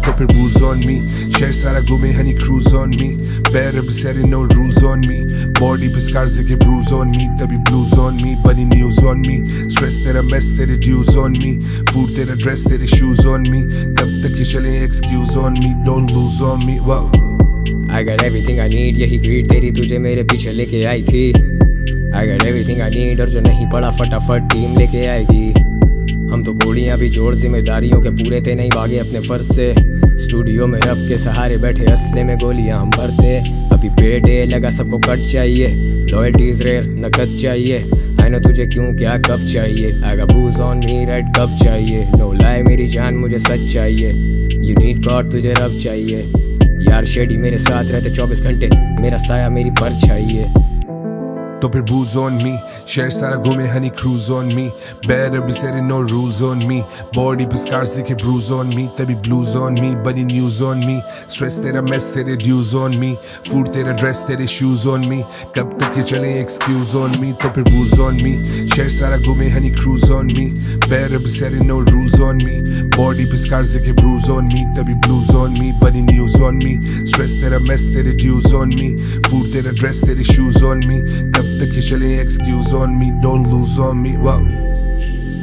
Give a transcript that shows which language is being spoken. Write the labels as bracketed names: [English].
[Hindi] तो फिर [English] booze on me, [Hindi] शहर सारा घूमे honey [English] cruise on me. Better be setting no rules on me. Body पे scars दिखे bruise on me. तभी blues on me, बनी news on me. Stress तेरा mess तेरे dues on me. Food तेरा dress तेरे shoes on me. तक चले excuse on me, don't lose on me, wow. I got everything I need, [Hindi] यही grid तेरी तुझे मेरे पीछे लेके आई थी. [English] I got everything I need, [Hindi] और जो नहीं पड़ा फटाफट टीम लेके आएगी. हम तो गोलियां भी जोड़ जिम्मेदारियों के पूरे थे, नहीं भागे अपने फर्ज से. स्टूडियो में रब के सहारे बैठे, असले में गोलियां हम भरते. अभी पेड़ लगा सबको कट चाहिए, [English] loyalty is rare, [Hindi] नकद चाहिए. [English] I know [Hindi] तुझे क्यों क्या कब चाहिए. [English] I got booze on me, [Hindi] red cup चाहिए. [English] no lie [Hindi] मेरी जान, मुझे सच चाहिए. [English] you need God, [Hindi] तुझे रब चाहिए. यार शेडी मेरे साथ रहते 24 घंटे, मेरा साया मेरी परछाइए. तो फिर [English] booze on me, [Hindi] शहर सारा घूमे honey [English] cruise on me. Better be setting no rules on me. Body पे scars दिखे bruise on me. तभी blues on me, बनी news on me. Stress तेरा mess तेरे dues on me. Food तेरा dress तेरे shoes on me. [Hindi] कब तक ये चले [English] excuse on me. [Hindi] तो फिर [English] booze on me, [Hindi] शहर सारा घूमे honey [English] cruise on me. Better be setting no rules on me. Body पे scars दिखे bruise on me. तभी blues on me, बनी news on me. Stress तेरा mess तेरे dues on me. Food तेरा dress तेरे shoes on me. तक ये चले excuse on me, don't lose on me, wow.